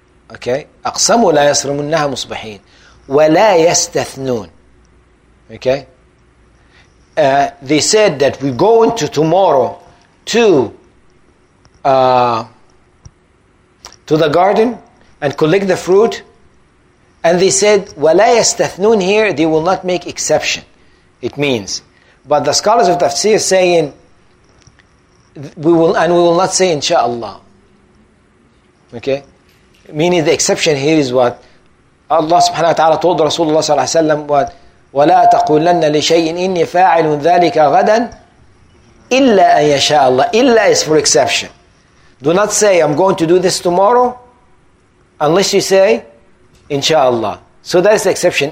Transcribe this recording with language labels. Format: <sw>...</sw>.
<ar>Okay, أقسموا لا يسرمونها مصبحين ولا يستثنون.</ar> <en>Okay. They said that we go into tomorrow to the garden and collect the fruit. And they said,</en> <ar>وَلَا يَسْتَثْنُونَ,</ar> <en>here they will not make exception. It means. But the scholars of tafsir saying, we will not say insha'Allah. Okay? Meaning the exception here is what? Allah subhanahu wa ta'ala told Rasulullah sallallahu alayhi wa sallam, what?</en> <ar>ولا تقولن لشيء إني فاعل ذلك غدا إلا أن يشاء الله.</ar> <en>إلا is for exception. Do not say I'm going to do this tomorrow unless you say inshallah. So that is the exception.</en>